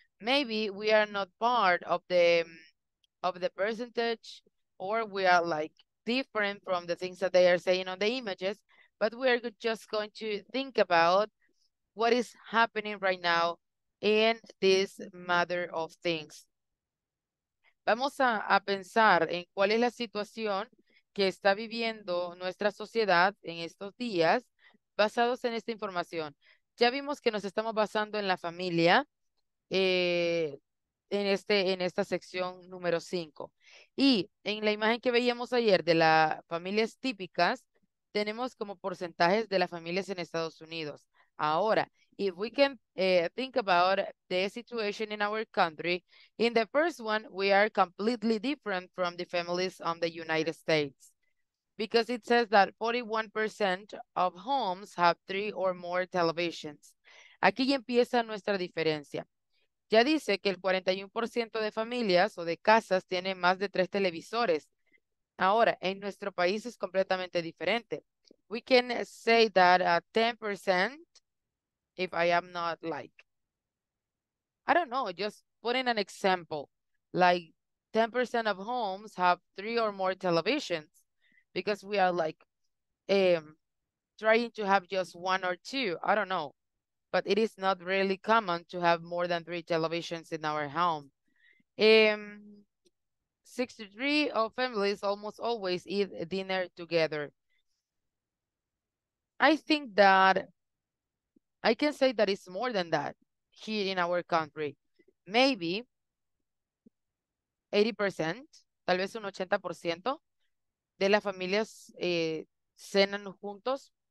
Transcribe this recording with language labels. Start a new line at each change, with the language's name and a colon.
English: Maybe we are not part of the percentage, or we are like different from the things that they are saying on the images, but we are just going to think about what is happening right now in this matter of things.
Spanish: Vamos a pensar en cuál es la situación que está viviendo nuestra sociedad en estos días basados en esta información. Ya vimos que nos estamos basando en la familia en esta sección número 5. Y en la imagen que veíamos ayer de las familias típicas, tenemos como porcentajes de las familias en Estados Unidos.
English: Ahora, if we can think about the situation in our country, in the first one, we are completely different from the families on the United States. Because it says that 41% of homes have 3 or more televisions.
Spanish: Aquí empieza nuestra diferencia. Ya dice que el 41% de familias o de casas tiene más de 3 televisores. Ahora, en nuestro país es completamente diferente.
English: We can say that 10%, if I am not like, I don't know, just put in an example, like 10% of homes have 3 or more televisions, because we are like trying to have just 1 or 2, I don't know. But it is not really common to have more than 3 televisions in our home. 63 of families almost always eat dinner together. I think that I can say that it's more than that here in our country. Maybe 80%,
Spanish: tal vez un 80% de las familias cenan juntos.